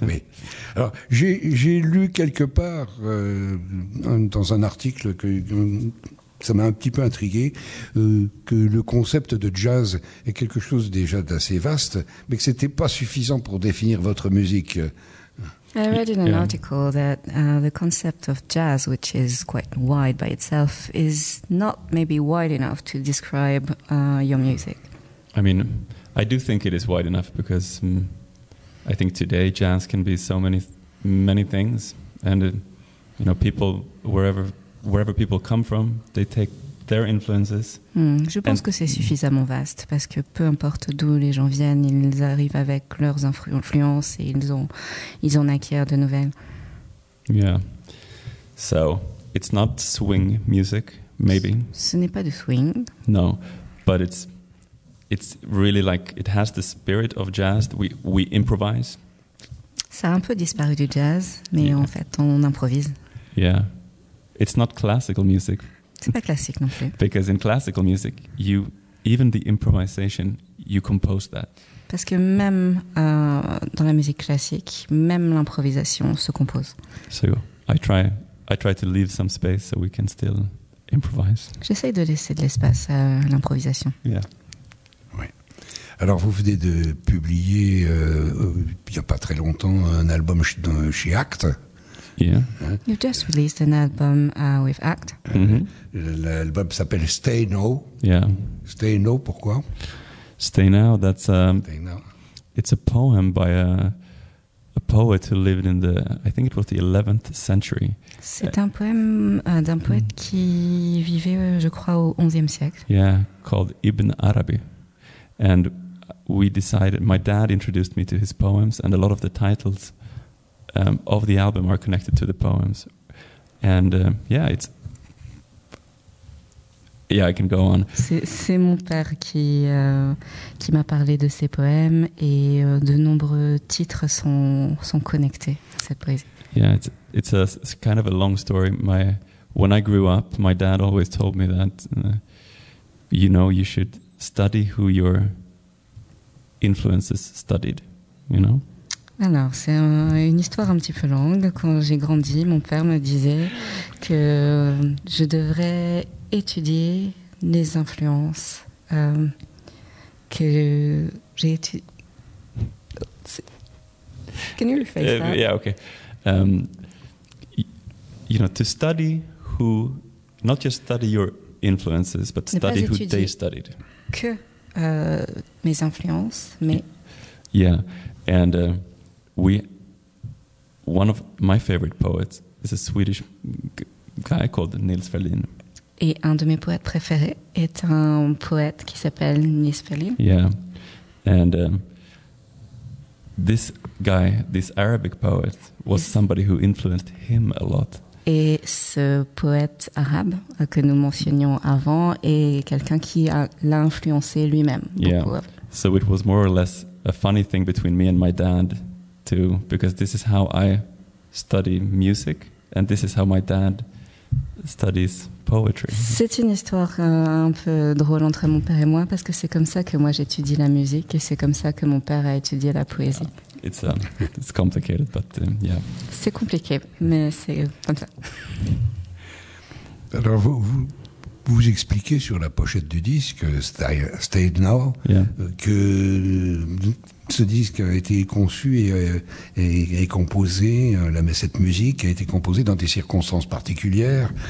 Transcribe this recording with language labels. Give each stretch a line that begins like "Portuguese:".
French: Oui. Alors, j'ai lu quelque part, dans un article, que ça m'a un petit peu intrigué, que le concept de jazz est quelque chose déjà d'assez vaste, mais que ce n'était pas suffisant pour définir votre musique.
English: I read in an article that the concept of jazz, which is quite wide by itself, is not maybe wide enough to describe your music. I mean, I do think it is wide enough because I think today jazz can be so many things, and you know, people wherever people come from, they take their influences.
French: Je pense que c'est suffisamment vaste parce que peu importe d'où les gens viennent, ils arrivent avec leurs influences et ils en acquièrent de nouvelles.
English: Yeah. So, it's not swing music, maybe.
French: Ce n'est pas de swing.
English: No, but it's really like it has the spirit of jazz. We improvise.
French: Ça a un peu disparu du jazz, mais en fait, on improvise.
English: Yeah. It's not classical music.
French: C'est pas classique non plus.
English: Because in classical music, you even the improvisation, you compose that.
French: Parce que même dans la musique classique, même l'improvisation se compose.
English: So I try to leave some space so we can still improvise.
French: J'essaie de laisser de l'espace à l'improvisation. Yeah. Alors, vous venez de publier, il n'y a pas très longtemps, un album chez ACT. Yeah.
English: You've just released an album with ACT.
French: L'album s'appelle Stay Now. Yeah. Stay Now, pourquoi?
English: Stay Now, that's it's a poem by a poet who lived in the, I think it was the 11th century.
French: C'est un poème d'un poète qui vivait, je crois, au 11e siècle.
English: Yeah, called Ibn Arabi. And we decided, my dad introduced me to his poems, and a lot of the titles of the album are connected to the poems. And I can go on.
French: C'est mon père qui m'a parlé de ses poèmes, et de nombreux titres sont connectés à cette poésie.
English: Yeah, it's kind of a long story. When I grew up, my dad always told me that, you know, you should study who your influences studied, you know?
French: Alors, c'est une histoire un petit peu longue. Quand j'ai grandi, mon père me disait que je devrais étudier les influences que j'ai étudiées.
English: Can you rephrase that? Yeah, okay. You know, to study who, not just study your influences, but study who they studied.
French: Que mes influences, mais...
English: Yeah, and one of my favorite poets is a Swedish guy called Nils Ferlin.
French: Et un de mes poètes préférés est un poète qui s'appelle Nils Ferlin.
English: Yeah, and this guy, this Arabic poet, was somebody who influenced him a lot.
French: Et ce poète arabe que nous mentionnions avant est quelqu'un qui l'a influencé lui-même. Yeah.
English: So it was more or less a funny thing between me and my dad too, because this is how I study music and this is how my dad studies poetry.
French: C'est une histoire un peu drôle entre mon père et moi parce que c'est comme ça que moi j'étudie la musique et c'est comme ça que mon père a étudié la poésie.
English: Yeah. It's complicated, but yeah.
French: C'est compliqué, mais c'est comme ça. Alors, vous expliquez sur la pochette du disque, Stay Now, que ce disque a été conçu et composé, cette musique a été composée dans des circonstances particulières.